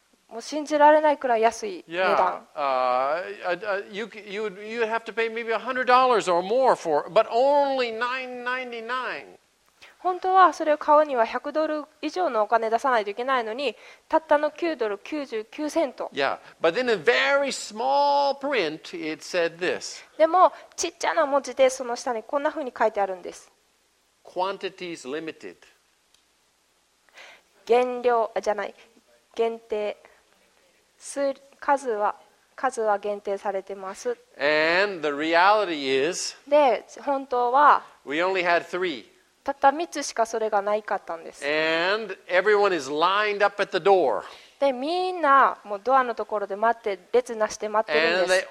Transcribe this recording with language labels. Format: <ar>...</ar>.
<ja>もう信じられないくらい安い値段</ja> <en>Yeah. You have to pay maybe $100 or more for but only $9.99.</en> <ja>本当はそれを買うには100ドル以上のお金出さないといけないのに、たったの9ドル99セント。</ja> <en>Yeah, but in a very small print, it said this.</en> <ja>でも、ちっちゃな文字でその下にこんな風に書いてあるんです。</ja> <en>Quantities limited.</en> <ja>限量、じゃない、限定。数は限定されてます。</ja> <en>And the reality is,</en> <ja>で、本当は、</ja> <en>We only had three.</en> <ja>たった3つしかそれがないかったんです。</ja> <en>And everyone is lined up at the door.</en> <ja>で、みんなもうドアのところで待って、列なして待ってるんです。</ja>